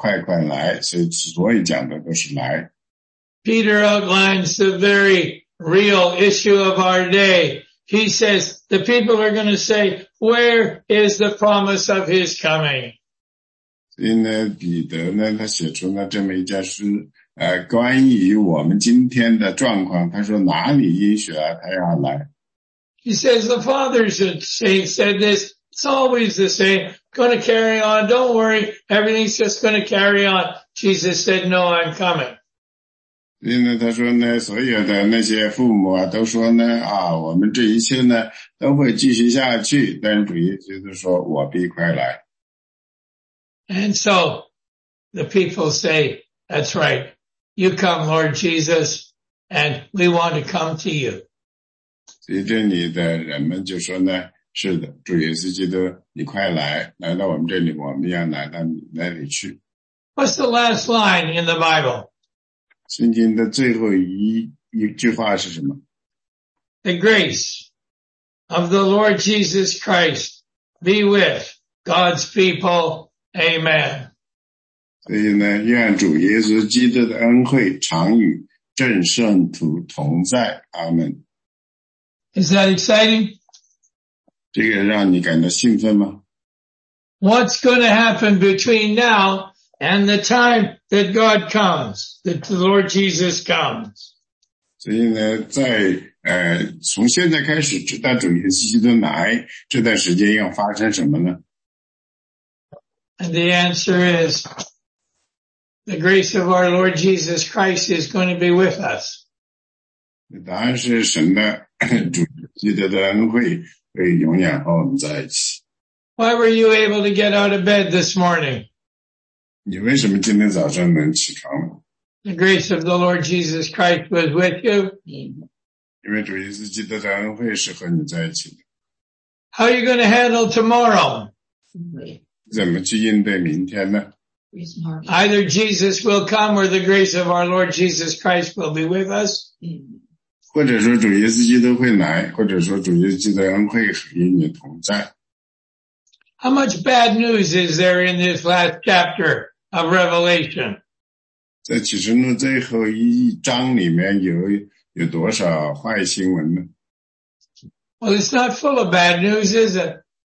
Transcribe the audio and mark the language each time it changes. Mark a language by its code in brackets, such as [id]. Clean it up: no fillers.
[zh] 所以呢，圣经说呢，不要再等了，主耶稣呢，很快就会来，所有的事情呢，你要快快来，所以讲的都是来。 [en] Peter outlines the very real issue of our day. He says, the people are going to say, where is the promise of his coming? [zh] 所以呢，彼得呢，他写出了这么一件事，关于我们今天的状况，他说哪里应许啊，他要来。 [en] He says, the fathers said this, it's always the same, going to carry on, don't worry, everything's just going to carry on. Jesus said, no, I'm coming. [zh] 因为他说呢，所有的那些父母啊，都说呢，啊，我们这一切呢，都会继续下去。但主耶稣说，我必快来。 [en] And so the people say, that's right, you come, Lord Jesus, And we want to come to you. [zh] 随着你的人们就说呢, 是的, 主耶稣基督, 你快来, 来到我们这里, 我们要来到你那里去。 [en] What's the last line in the Bible? [zh] 圣经的最后一句话是什么? [en] The grace of the Lord Jesus Christ be with God's people. Amen. [zh] 所以呢, 愿主耶稣基督的恩惠常与正圣徒同在。 [en] Amen. Is that exciting? [zh] 这个让你感到兴奋吗? [en] What's going to happen between now and the time that God comes, that the Lord Jesus comes? [zh] 所以呢, 在, 从现在开始直到主耶稣基督来, 这段时间要发生什么呢? [en] And the answer is, the grace of our Lord Jesus Christ is going to be with us. [zh] 答案是神的主基督的恩惠会永远和我们在一起。 [en] Why were you able to get out of bed this morning? [zh] 你为什么今天早上能起床? [en] The grace of the Lord Jesus Christ was with you. [zh] 因为主耶稣基督的恩惠是和你在一起的。 [en] How are you going to handle tomorrow? [zh] 怎么去应对明天呢? [en] Either Jesus will come or the grace of our Lord Jesus Christ will be with us. [zh] 或者说主耶稣基督会来, 或者说主耶稣基督的恩惠与你同在。 [en] How much bad news is there in this last chapter of Revelation? [zh] 在启示录最后一章里面有多少坏新闻呢? [en] Well, it's not full of bad news, is it?